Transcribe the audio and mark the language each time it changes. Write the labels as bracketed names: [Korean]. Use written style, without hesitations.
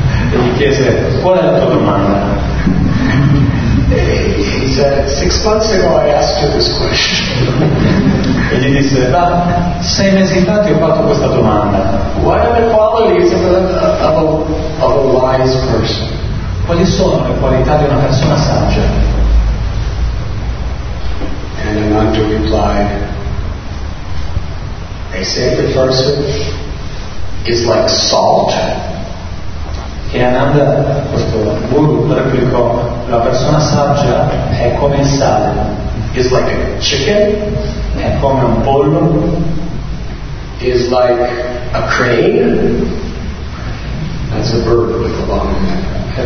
[Italian] E gli chiese, qual è la tua domanda? [English] He said, 6 months ago I asked you this question. [Italian] E gli disse, ma 6 mesi fa ti ho fatto questa domanda. [English] What are the qualities of a wise person? [Italian] Quali sono le qualità di una persona saggia? [English] And Ananta replied, a saintly person is like salt. [Italian] E Ananda, questo guru, replicò, la persona saggia è come il sale. [English] Is like a chicken. [Italian] È come un pollo. [English] Is like a crane. That's a bird with a long neck.